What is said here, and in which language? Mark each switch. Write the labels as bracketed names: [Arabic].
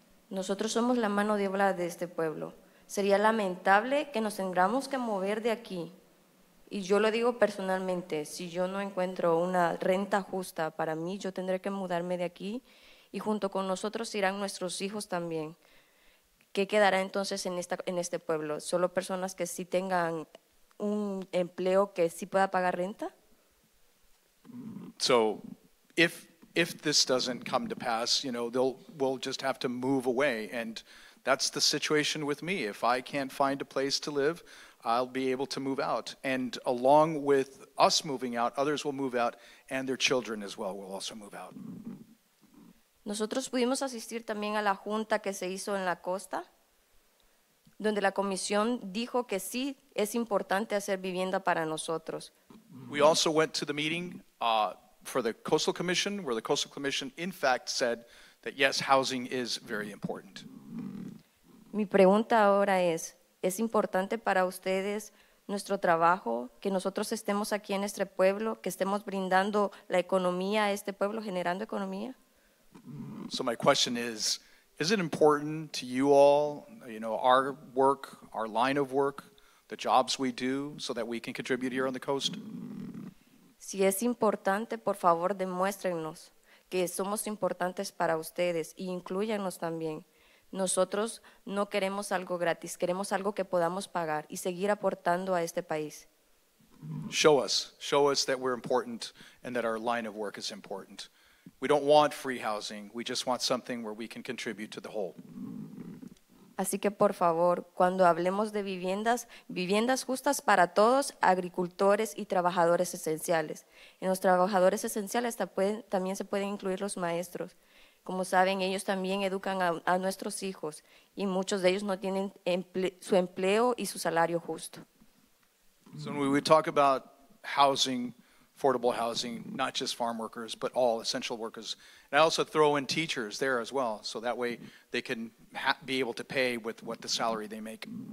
[Spanish] Nosotros somos la mano de obra de este pueblo. Sería lamentable que nos tengamos que mover de aquí. Y yo lo digo personalmente, si yo no encuentro una renta justa para mí, yo tendré que mudarme de aquí y junto con nosotros irán nuestros hijos también. ¿Qué quedará entonces en este pueblo? ¿Solo personas que sí tengan un empleo que sí pueda pagar renta? [English] So, if this doesn't come to pass, you know, we'll just have to move away. And that's the situation with me. If I can't find a place to live, I'll be able to move out. And along with us moving out, others will move out, and their children as well will also move out. [Spanish] Nosotros pudimos asistir también a la junta que se hizo en la costa, donde la comisión dijo que sí es importante hacer vivienda para nosotros. [English] We also went to the meeting for the Coastal Commission, where the Coastal Commission in fact said that yes, housing is very important. [Spanish] Mi pregunta ahora es, ¿es importante para ustedes nuestro trabajo, que nosotros estemos aquí en este pueblo, que estemos brindando la economía a este pueblo, generando economía? [English] So my question is it important to you all, you know, our work, our line of work, the jobs we do, so that we can contribute here on the coast? [Spanish] Si es importante, por favor, demuéstrenos que somos importantes para ustedes y incluyanos también. Nosotros no queremos algo gratis, queremos algo que podamos pagar y seguir aportando a este país. [English] Show us that we're important and that our line of work is important. We don't want free housing, we just want something where we can contribute to the whole. [Spanish] Así que por favor, cuando hablemos de viviendas, viviendas justas para todos, agricultores y trabajadores esenciales. En los trabajadores esenciales también se pueden incluir los maestros. Como saben, ellos también educan a nuestros hijos y muchos de ellos no tienen su empleo y su salario justo. [English] So when we talk about housing, affordable housing, not just farm workers, but all essential workers, and I also throw in teachers there as well, so that way they can be able to pay with what the salary they make.